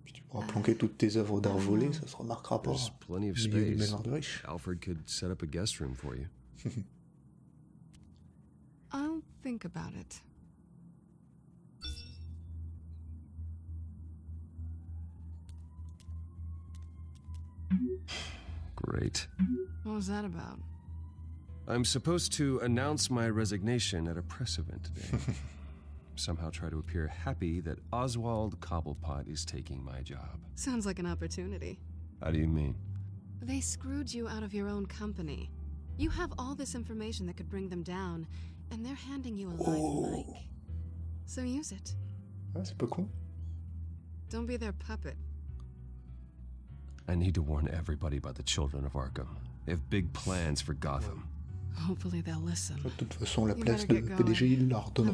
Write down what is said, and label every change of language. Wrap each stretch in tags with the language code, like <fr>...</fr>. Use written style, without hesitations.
<fr>On va planquer toutes tes œuvres d'art volées, ça se remarquera pas.</fr> <en>There's plenty of space. Alfred could set up a guest room for you. I'll think about it. Great. What was that about? I'm supposed to announce my resignation at a press event today. Somehow try to appear happy that Oswald Cobblepot is taking my job. Sounds like an opportunity. How do you mean? They screwed you out of your own company. You have all this information that could bring them down, and they're handing you a live mic. So use it. That's</en> <fr>pas</fr> <en>cool. Don't be their puppet. I need to warn everybody about the children of Arkham. They have big plans for Gotham. Hopefully they'll listen.</en> <fr>De toute façon, la place de PDG, il leur donnera</fr>